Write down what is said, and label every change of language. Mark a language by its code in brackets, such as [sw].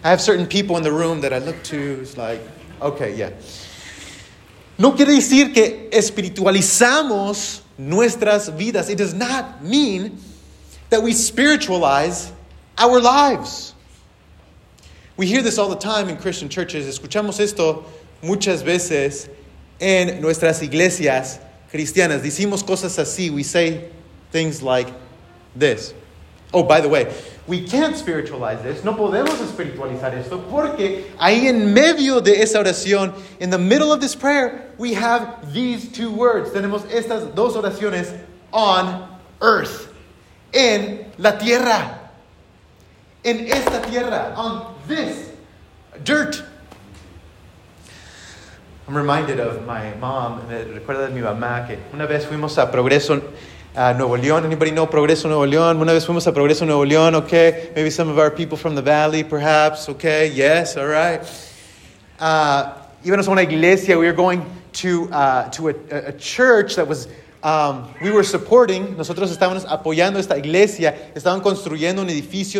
[en] I have certain people in the room that I look to. It's like, okay, yeah. [es] No quiere decir que espiritualizamos nuestras vidas. [en] It does not mean that we spiritualize our lives. We hear this all the time in Christian churches. [es] Escuchamos esto muchas veces en nuestras iglesias cristianas. Decimos cosas así. [en] We say things like this. Oh, by the way, we can't spiritualize this. [es] No podemos espiritualizar esto porque ahí en medio de esa oración, [en] in the middle of this prayer, we have these two words. [es] Tenemos estas dos oraciones [en] on earth. [es] En la tierra. En esta tierra. [en] On this dirt. I'm reminded of my mom. [es] Me recuerda de mi mamá que una vez fuimos a Progreso, Nuevo León. [en] Anybody know [es] Progreso, Nuevo León? Una vez fuimos a Progreso, Nuevo León, okay. [en] Maybe some of our people from the valley, perhaps, okay. Yes, all right. [es] Íbamos a una iglesia. [en] We were going to a church that was, we were supporting. [es] Nosotros estábamos apoyando esta iglesia. Estaban construyendo un edificio.